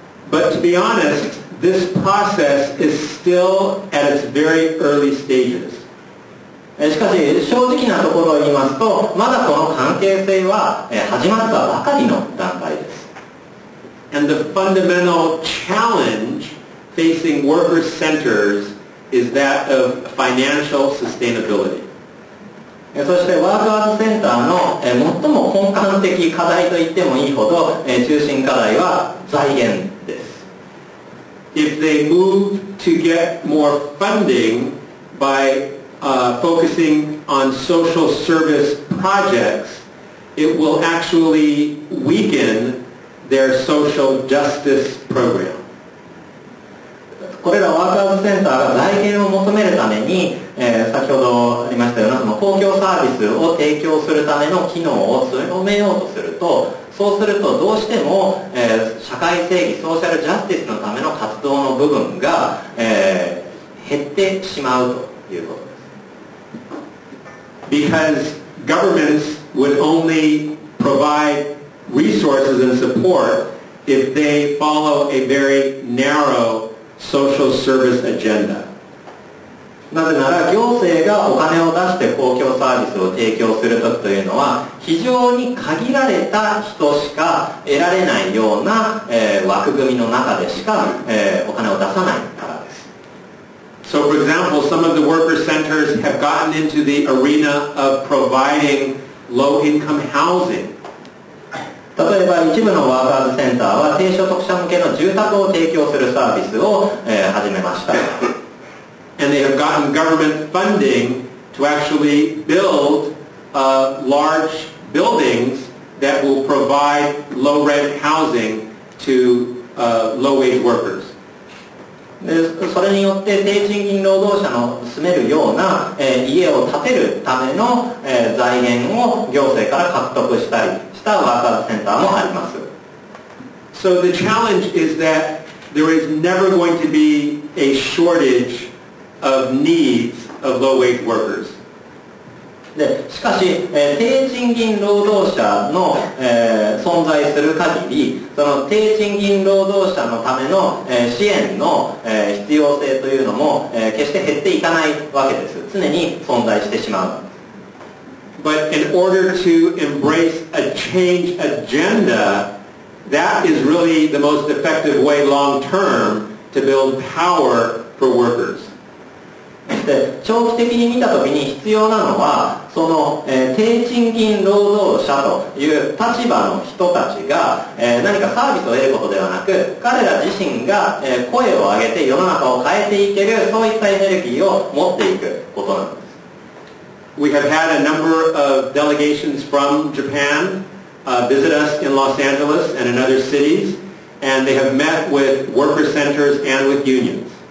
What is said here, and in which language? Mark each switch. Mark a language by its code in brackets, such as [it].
[en] But to be honest,This process is still at its very early stages. [ja] しかし、正直なところを言いますと、まだこの関係性は始まったばかりの段階です。 [en] And the fundamental challenge facing worker centers is that of financial sustainability. [ja] そして、ワーカーズセンターの最も根幹的課題と言ってもいいほど、中心課題は財源です。 [en] If they move to get more funding by focusing on social service projects, it will actually weaken their social justice program. [ja] これらワーカーズセンターが財源を求めるために、先ほどありましたような公共サービスを提供するための機能を強めようとすると、そうするとどうしても、社会正義、ソーシャルジャスティスのための活動の部分が、減ってしまうということです。 [en] Because governments would only provide resources and support if they follow a very narrow social service agenda. [ja] なぜなら行政がお金を出して公共サービスを提供するときというのは非常に限られた人しか得られないような、枠組みの中でしか、お金を出さないからです。 [en] So for example, some of the worker centers have gotten into the arena of providing low-income housing. [ja] 例えば一部のワーカーズセンターは低所得者向けの住宅を提供するサービスを、始めました。 [en] have gotten government funding to actually build large buildings that will provide low-rent housing to low-wage workers. [ja] でそれによって低賃金労働者の住めるような、家を建てるための、財源を行政から獲得したりしたワーカーズセンターもあります。 [en] So the challenge is that there is never going to be a shortage of needs of low-wage workers. [ja] でしかし、低賃金労働者の、存在する限り、その低賃金労働者のための、支援の、必要性というのも、決して減っていかないわけです。常に存在してしまう。 [en] But in order to embrace a change agenda, that is really the most effective way long term to build power for workers. [ja] で長期的に見たときに必要なのはその、低賃金労働者という立場の人たちが、何かサービスを得ることではなく彼ら自身が、声を上げて世の中を変えていけるそういったエネルギーを持っていくことなんです。 [en] We have had a number of delegations from Japan, visit us in Los Angeles and in other cities, and they have met with worker centers and with unions.